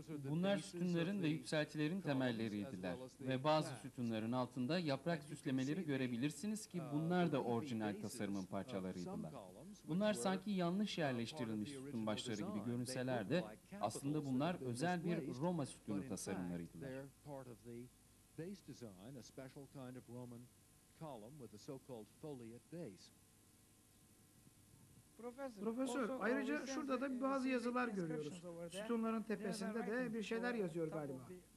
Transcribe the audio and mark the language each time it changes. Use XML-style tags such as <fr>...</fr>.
<tr>Bunlar sütunların ve yükseltilerin temelleriydiler. Ve bazı sütunların altında yaprak süslemeleri görebilirsiniz ki bunlar da orijinal tasarımın parçalarıydılar. Bunlar sanki yanlış yerleştirilmiş sütun başları gibi görünseler de aslında bunlar özel bir Roma sütunu tasarımlarıydılar.</tr> <en>Base design, a special kind of Roman column with a so-called foliate base.</en> <tr>Profesör, ayrıca şurada da bazı yazılar görüyoruz. Sütunların tepesinde de bir şeyler yazıyor galiba.</tr>